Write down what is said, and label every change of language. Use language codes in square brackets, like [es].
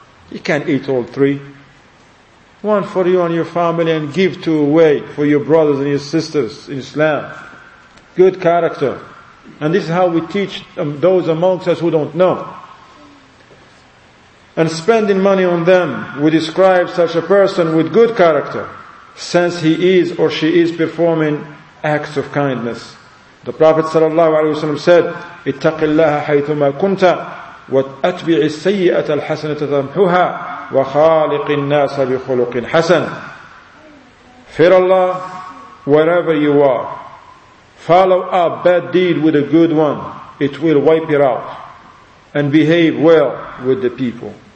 [en] You can't eat all three. One for you and your family and give two away for your brothers and your sisters in Islam. Good character. And this is how we teach those amongst us who don't know. And spending money on them, we describe such a person with good character, since he is or she is performing acts of kindness. The Prophet ﷺ said, [ar] اتق الله حيثما كنت واتبع السيئة الحسنة تمحها وخالق الناس بخلق حسن. [en] Fear Allah wherever you are. Follow a bad deed with a good one. It will wipe it out. And behave well with the people.